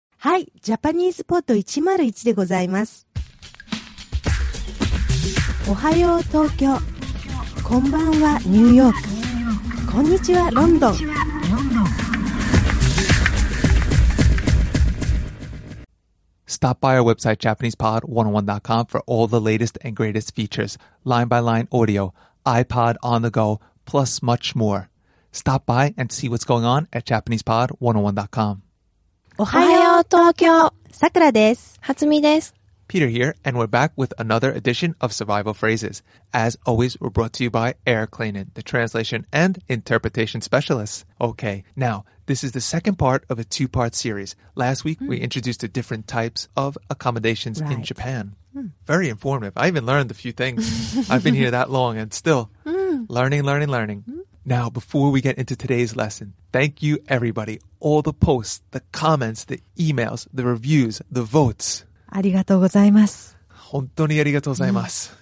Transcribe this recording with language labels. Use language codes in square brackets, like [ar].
[ja] はい、ジャパニーズポット101でございます。おはよう東京、こんばんはニューヨーク、こんにちはロンドン。 [en] Stop by our website, JapanesePod101.com for all the latest and greatest features, line-by-line audio, iPod on the go, plus much more. Stop by and see what's going on at JapanesePod101.com. [ja] おはよう、東京。さくらです。はつみです。 [en] Peter here, and we're back with another edition of Survival Phrases. As always, we're brought to you by Eric Klainen, the translation and interpretation specialist. Okay, now, this is the second part of a two-part series. Last week, we introduced the different types of accommodations in Japan. Very informative. I even learned a few things. I've been here that long and still learning. Now, before we get into today's lesson, thank you, everybody. All the posts, the comments, the emails, the reviews, the votes... [ja] ありがとうございます。本当にありがとうございます。